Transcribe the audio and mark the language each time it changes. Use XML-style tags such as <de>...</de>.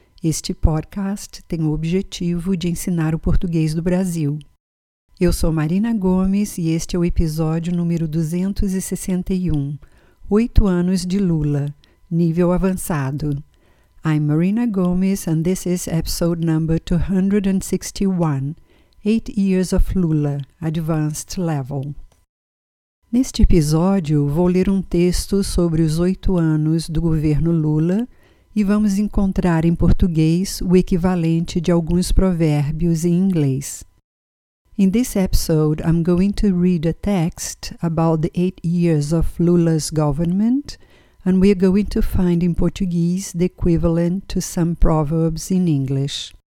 <pt>Este podcast tem o objetivo de ensinar o português do Brasil. Eu sou Marina Gomes e este é o episódio número 261, 8 anos de Lula, nível avançado.</pt> <en>I'm Marina Gomes and this is episode number 261, 8 years of Lula, advanced level.</en> <pt>Neste episódio, vou ler um texto sobre os 8 anos do governo Lula e vamos encontrar em português o equivalente de alguns provérbios em inglês.</pt> <en>In this episode, I'm going to read a text about the 8 years of Lula's government, and we're going to find in Portuguese the equivalent to some proverbs in English.</en>